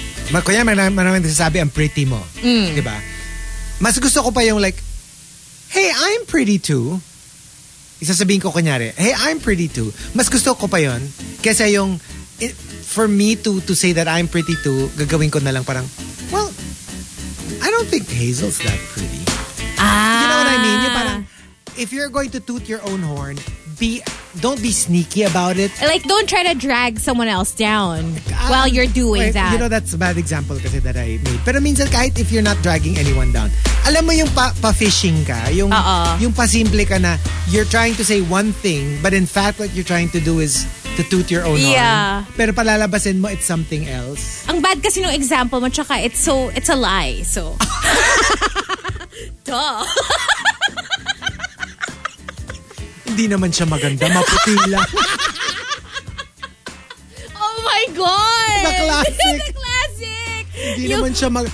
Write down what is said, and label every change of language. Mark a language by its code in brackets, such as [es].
[tl] Kunyari yung nagsasabi ang pretty mo. Di ba? Mas gusto ko pa yung [en] like, hey, I'm pretty too. [tl] Isasabihin ko kunyari, [en] hey, I'm pretty too. [tl] Mas gusto ko pa yun kesa yung, [en] for me to say that I'm pretty too, [tl] gagawin ko na lang parang, [en] well, I don't think Hazel's that pretty. Ah. You know what I mean? Yung parang, if you're going to toot your own horn, don't be sneaky about it. Like, don't try to drag someone else down while you're doing that. You know, that's a bad example kasi that I made. Pero minsan, kahit if you're not dragging anyone down, [tl] alam mo yung pa-fishing ka, yung pa-simple ka na, [en] you're trying to say one thing, but in fact, what you're trying to do is to toot your own horn. [tl] Pero palalabasin mo, [en] it's something else. [tl] Ang bad kasi yung example mo, tsaka [en] it's a lie, [tl] so. Duh. Hindi naman siya maganda. Maputi lang. [en] Oh my God! The classic! The classic! [tl] Hindi naman siya maganda.